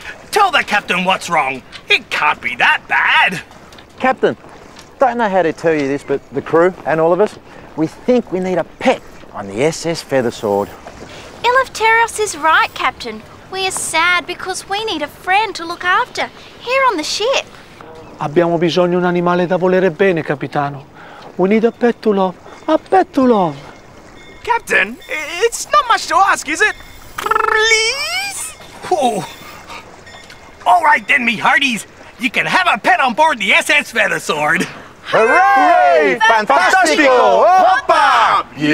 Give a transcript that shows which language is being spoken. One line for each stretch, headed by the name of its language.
English: Tell the captain what's wrong. It can't be that bad. Captain. I don't know how to tell you this, but the crew and all of us, we think we need a pet on the SS Feathersword. Eleftheros is right, Captain. We are sad because we need a friend to look after here on the ship.
Italian: Abbiamo bisogno un animale da volere bene, Capitano.
English: We need a pet to love, a pet to love. Captain, it's not much to ask, is it? Please? Oh. All right then, me hearties. You can have a pet on board the SS Feathersword. Hooray! Hooray! Fantastico! Hoppa!